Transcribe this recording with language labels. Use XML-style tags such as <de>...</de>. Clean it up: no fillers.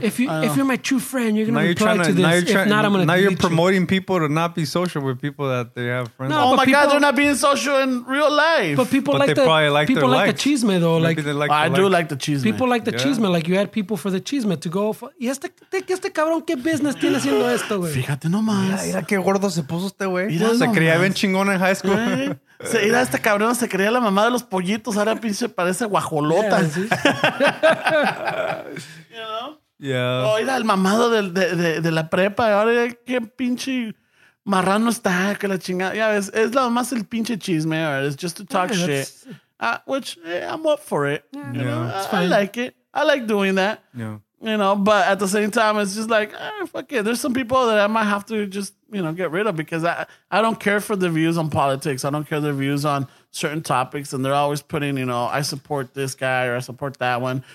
<en>If you're my true friend, you're going to reply to this. Now you're promoting people to not be social with people that they have friends with. No, oh my people, God, they're not being social in real life. But people like they probably like people like the chisme, though. Like, I like the chisme. People like the chisme. Like, you had people for the chisme to go.</en> <es>¿Y este cabrón qué business tiene haciendo esto, güey? Fíjate nomás. Mira qué gordo se puso este, güey. Se creía bien chingón en high school. Era este cabrón, se creía la mamá de los pollitos, ahora pinche parece guajolota.</es> <en>Yeah,</en> <es>¿sí?</es> <en>Yeah.</en> <es>Oh, era el mamado de la prepa, ahora qué pinche marrano está, que la chingada. Ya ves, es nada más el pinche chisme, es</es> <en>just to talk shit. Which I'm up for it. I like it. I like doing that. Yeah. You know, but at the same time, it's just like, fuck it. There's some people that I might have to just, you know, get rid of because I don't care for their views on politics. I don't care their views on certain topics. And they're always putting, you know, I support this guy or I support that one.</en>